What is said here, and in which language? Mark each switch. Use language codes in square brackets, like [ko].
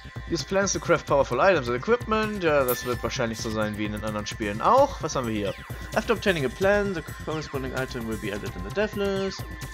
[en] Use plans to craft powerful items and equipment. [de] Ja, das wird wahrscheinlich so sein wie in den anderen Spielen auch. Was haben wir hier? [en] After obtaining a plan, the corresponding item will be added in the death list.